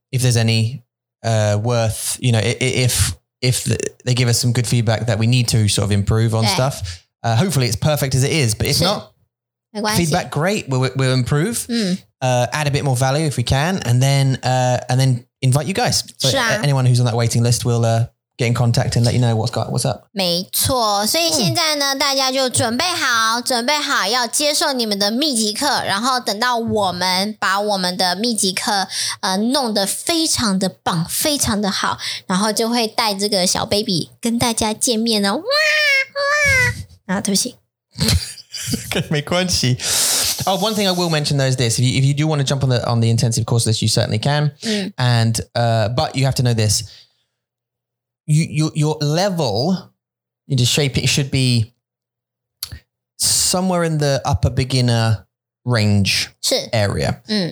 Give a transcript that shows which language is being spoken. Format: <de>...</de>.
<en>If there's any worth, you know, if they give us some good feedback that we need to sort of improve on stuff, hopefully it's perfect as it is. But if not, feedback, great. We'll improve, add a bit more value if we can. And then invite you guys. So anyone who's on that waiting list, will get in contact and let you know what's up.</en> <zh>没错, 所以现在呢, 大家就准备好, 要接受你们的秘籍课, 然后等到我们把我们的秘籍课, 弄得非常的棒, 非常的好, 然后就会带这个小baby 跟大家见面哦, 哇, 哇, 然后对不起。 Okay, 没关系。</zh> <en>Oh, one thing I will mention though is this. If you do want to jump on the intensive course list, you certainly can. But you have to know this. Your level, you just shape it, should be somewhere in the upper beginner range area.</en>